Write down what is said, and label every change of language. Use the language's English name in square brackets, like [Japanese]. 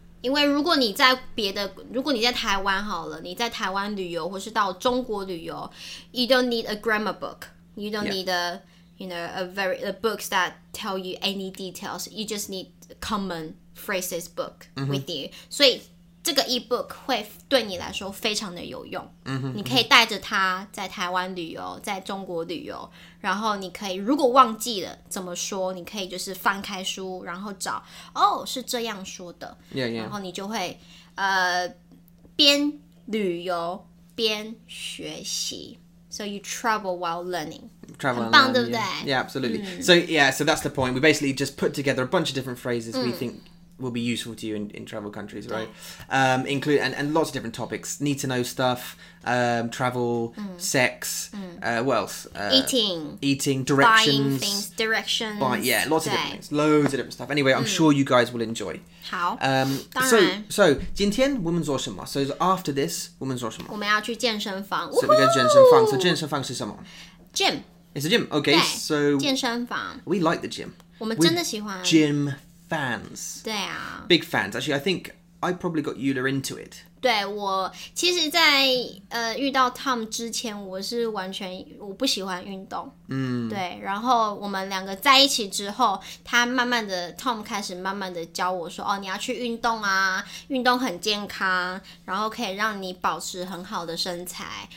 [Chinese] 因为如果你在别的，如果你在台湾好了，你在台湾旅游或是到中国旅游 ， [English] you don't need a grammar book. You don't need a, you know, a books that tell you any details. You just need common phrases book with you. [Chinese] 所以这个 e-book 会对你来说非常的有用。你可以带着它在台湾旅游，在中国旅游，然后你可以如果忘记了怎么说，你可以就是翻开书，然后找哦是这样说的。然后你就会边旅游边学习。 [English] So you travel while learning. Travel and learning. [Chinese] 很棒，对不对？ [English] Yeah, absolutely. So yeah, so that's the point. We basically just put together a bunch of different phrases we think. Will be useful to you in travel countries, right? Include and lots of different topics. Need to know stuff, travel, sex, what else? Eating, directions. Buying, yeah, lots of different things. Loads of different stuff. Anyway, I'm sure you guys will enjoy. [Chinese] 好， [English] So, [Chinese] 今天我们做什么? [English] So, after this, [Chinese] 我们做什么? 我们要去健身房。 [English] So, we're going to 健身房。So, [Chinese] 健身房是什么? [English] Gym. It's a gym. Okay, so... [Chinese] 健身房。 [English] We like the gym. [Chinese] 我们真的喜欢。 [English] Gym. Fans. [Chinese] 对啊, [English] big fans. Actually, I think I probably got Yula into it. [Chinese] 对, 我其实在遇到 Tom 之前我是完全我不喜欢运动。对，然后我们两个在一起之后他慢慢的 Tom 开始慢慢的教我说哦你要去运动啊，运动很健康，然后可以让你保持很好的身材。